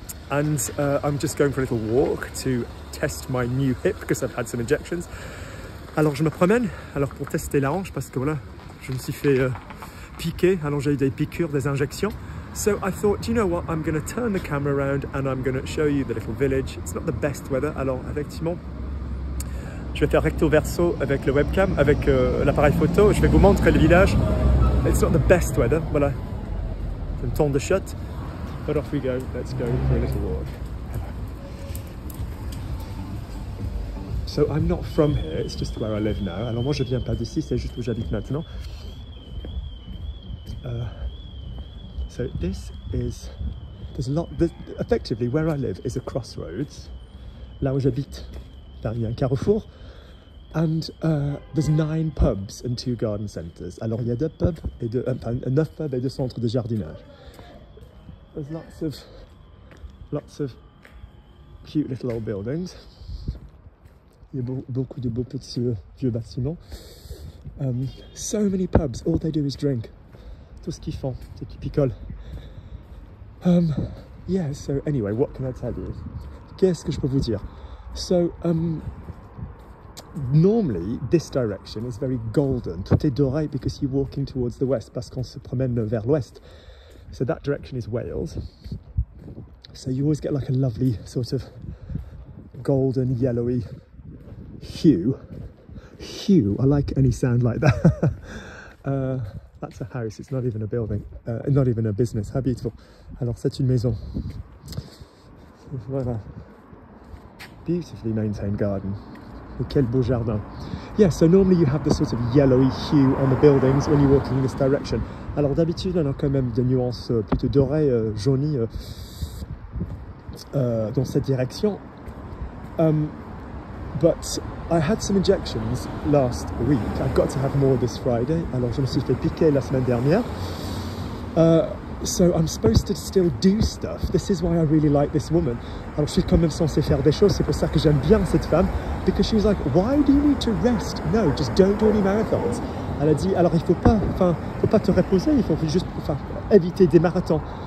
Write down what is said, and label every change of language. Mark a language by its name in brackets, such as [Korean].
[English] And I'm just going for a little walk to test my new hip because I've had some injections. [French] Alors je me promène, alors pour tester la hanche parce que voilà, je me suis fait piquer. Alors j'ai eu des piqûres, des injections. [English] So I thought, do you know what, I'm going to turn the camera around and I'm going to show you the little village. It's not the best weather. [French] Alors effectivement, je vais faire recto verso avec le webcam, avec l'appareil photo. Je vais vous montrer le village. [English] It's not the best weather. [French] Voilà, je vais me tourner de shot. [English] But off we go, let's go for a little walk. So I'm not from here, it's just where I live now. [French] Alors moi je viens pas d'ici, c'est juste où j'habite maintenant. [English] So this is, effectively where I live is a crossroads. [French] Là où j'habite, là il y a un carrefour. [English] And there's 9 pubs and 2 garden centers. [French] Alors il y a 2 pubs et 2, enfin 9 pubs et 2 centres de jardinage. [English] There's lots of cute little old buildings. [French] Il y a beaucoup de beaux petits vieux bâtiments. [English] So many pubs, all they do is drink. [French] Tout ce qu'ils font, c'est qu'ils picolent. [English] So anyway, what can I tell you? [French] Qu'est-ce que je peux vous dire? [English] So, normally, this direction is very golden. [French] Tout est doré [English] because you're walking towards the west, [French] parce qu'on se promène vers l'ouest. [English] So that direction is Wales. So you always get like a lovely sort of golden, yellowy hue. I like any sound like that. That's a house. It's not even a building. Not even a business. How beautiful. [French] Alors, c'est une maison. Voilà. [English] Beautifully maintained garden. [French] Et quel beau jardin. [English] Yeah, so normally you have the sort of yellowy hue on the buildings when you're walking in this direction. [French] Alors d'habitude, on a quand même des nuances plutôt dorées, jaunies dans cette direction. [English] But I had some injections last week. I've got to have more this Friday. [French] Alors je me suis fait piquer la semaine dernière. [English] So I'm supposed to still do stuff. This is why I really like this woman. [French] Alors je suis quand même censé faire des choses. C'est pour ça que j'aime bien cette femme. [English] Because she was like, why do you need to rest? No, just don't do any marathons. [French] Elle a dit, alors il faut pas, enfin, faut pas te reposer. Il faut juste, enfin, éviter des marathons.